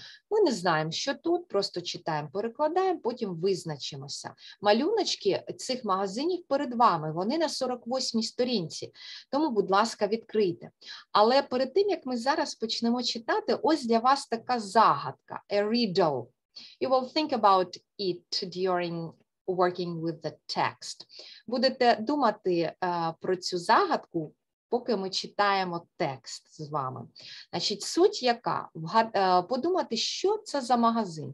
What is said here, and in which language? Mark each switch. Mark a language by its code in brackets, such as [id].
[uk] Ми не знаємо, що тут, просто читаємо, перекладаємо, потім визначимося. Малюночки цих магазинів перед вами, вони на 48-й сторінці, тому, будь ласка, відкрийте. Але перед тим, як ми зараз почнемо читати, ось для вас така загадка, a riddle. [en] You will think about it during working with the text. [uk] Будете думати про цю загадку, поки ми читаємо текст з вами. Значить, суть яка? Подумати, що це за магазин?